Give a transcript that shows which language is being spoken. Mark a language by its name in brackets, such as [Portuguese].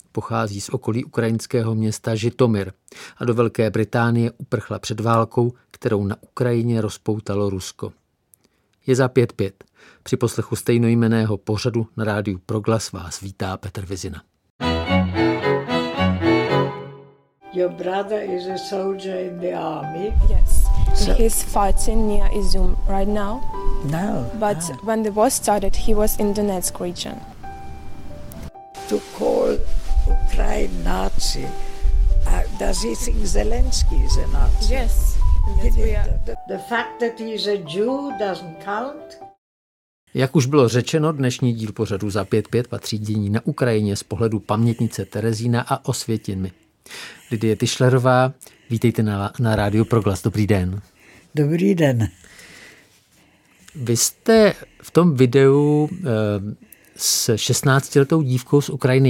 [Czech] Pochází z okolí ukrajinského města Žitomir a do Velké Británie uprchla před válkou, kterou na Ukrajině rozpoutalo Rusko. Je za 5-5. Při poslechu stejnojmenného pořadu na rádiu Proglas vás vítá Petr Vizina. [English] Your brother is a soldier in the army. Yes. So he's fighting near Izum right now. No. But no. When the war started, he was in Donetsk region. To call Ukraine Nazi. Does he think Zelensky is a Nazi? Yes. The fact that he's a Jew doesn't count. [Czech] Jak už bylo řečeno, dnešní díl pořadu za 5-5 patří dění na Ukrajině z pohledu pamětnice Terezína a Osvětimi. Lidie Tischlerová, vítejte na rádiu Proglas. Dobrý den. Dobrý den. Vy jste v tom videu s 16-letou dívkou z Ukrajiny.